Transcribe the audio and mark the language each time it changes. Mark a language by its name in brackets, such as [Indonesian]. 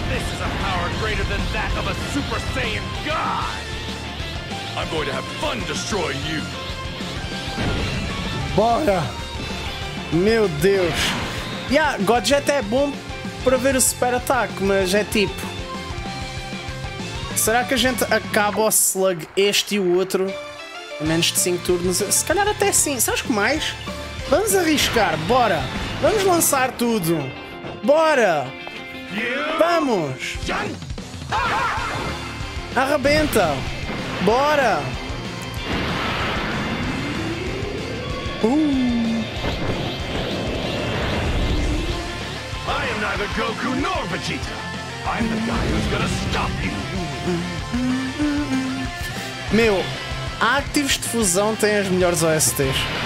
[English] This is a power greater than that of a Super Saiyan God! I'm going to have fun destroying you! [Portuguese] Bora! Meu Deus! Yeah, God Jet é bom para ver o super ataque, mas é tipo... Será que a gente acaba o Slug este e o outro? A menos de 5 turnos? Se calhar até sim, sabes que mais? Vamos arriscar, bora! Vamos lançar tudo! Bora! Vamos! Arrebenta! Bora! [English] I am neither Goku nor Vegeta! I'm the guy who's gonna stop you! [Portuguese] Meu, Activos de Fusão tem as melhores OSTs.